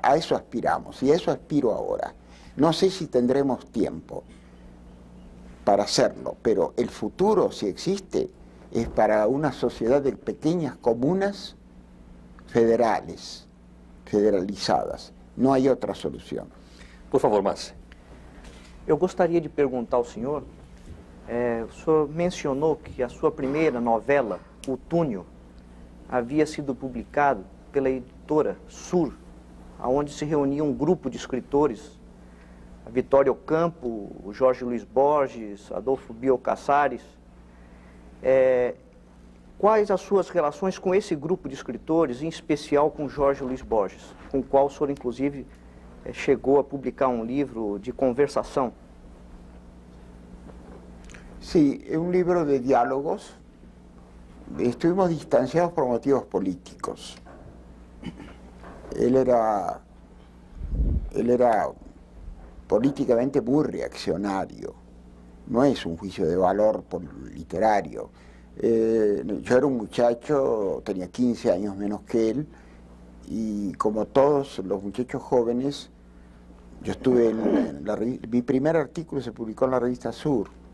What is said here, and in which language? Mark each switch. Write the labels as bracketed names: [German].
[Spanish] A eso aspiramos, y a eso aspiro ahora. No sé si tendremos tiempo para hacerlo, pero el futuro, si existe, es para una sociedad de pequeñas comunas federales, federalizadas. No hay otra solución. Por favor, Marce. [Portuguese] Eu gostaria de perguntar ao senhor, o senhor mencionou que a sua primeira novela, O Túnel, havia sido publicada pela editora Sur, onde se reunia um grupo de escritores, a Vitória Ocampo, o Jorge Luiz Borges, Adolfo Bioy Casares. Quais as suas relações com esse grupo de escritores, em especial com Jorge Luiz Borges, com o qual o senhor, inclusive, chegou a publicar um livro de conversação? Sim, é um livro de diálogos. [Spanish] Estuvimos distanciados por motivos políticos. Él era políticamente muy reaccionario. No es un juicio de valor por literario. Yo era un muchacho, tenía 15 años menos que él, y como todos los muchachos jóvenes, yo estuve mi primer artículo se publicó en la revista Sur.